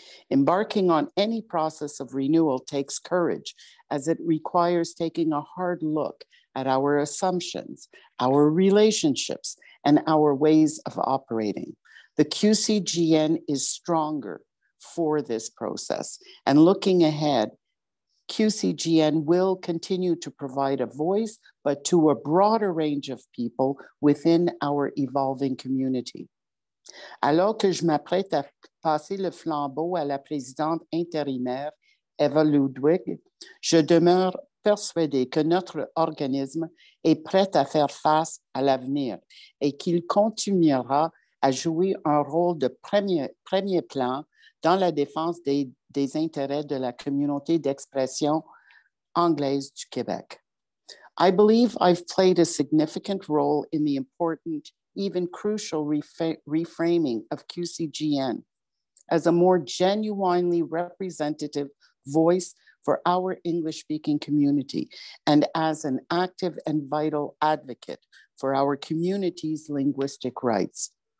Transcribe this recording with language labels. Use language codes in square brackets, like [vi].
[en] Embarking on any process of renewal takes courage, as it requires taking a hard look at our assumptions, our relationships, and our ways of operating. The QCGN is stronger for this process. And looking ahead, QCGN will continue to provide a voice, but to a broader range of people within our evolving community. [fr] Alors que je m'apprête à passer le flambeau à la présidente intérimaire, Eva Ludvig, je demeure persuadée que notre organisme est prêt à faire face à l'avenir et qu'il continuera a joué un rôle de premier plan dans la défense des intérêts de la communauté d'expression anglaise du Québec. [en] I believe I've played a significant role in the important, even crucial reframing of QCGN as a more genuinely representative voice for our English-speaking community and as an active and vital advocate for our community's linguistic rights.